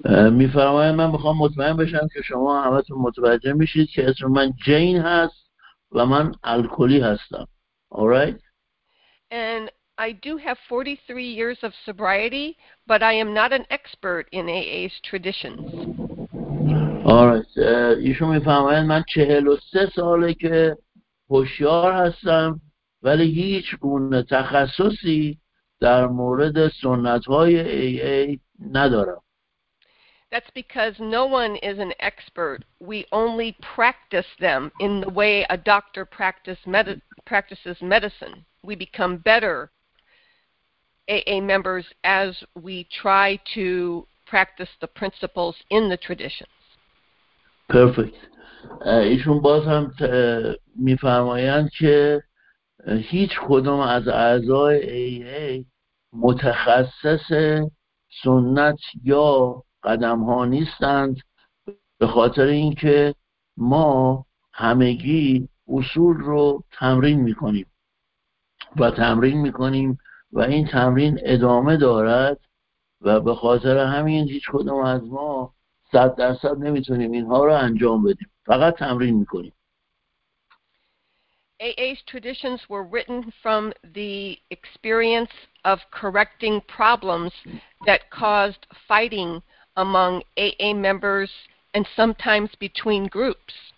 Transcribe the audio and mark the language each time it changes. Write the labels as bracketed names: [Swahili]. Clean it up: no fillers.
[Persian] می فرمایم من بخوام مطمئن بشم که شما همتون متوجه میشید که اسم من جین هست و من الکلی هستم. [English] All right. And I do have 43 years of sobriety, but I am not an expert in AA's traditions. All right. [Persian] ایشون میفهمن من 43 ساله که هوشیار هستم، ولی هیچ گونه تخصصی در مورد سنت‌های AA ندارم. [English] That's because no one is an expert. We only practice them in the way a doctor practices medicine. We become better AA members as we try to practice the principles in the traditions. Perfect. [Persian] ایشون باز هم میفرمایند که هیچ کدام از اعضای AA متخصص سنت یا قدم ها نیستند، به خاطر اینکه ما همگی اصول رو تمرین میکنیم و تمرین میکنیم و این تمرین ادامه دارد و به خاطر همین هیچ کدوم از ما 100% نمیتونیم اینها رو انجام بدیم، فقط تمرین میکنیم. [English] AA's traditions were written from the experience of correcting problems that caused fighting among AA members and sometimes between groups.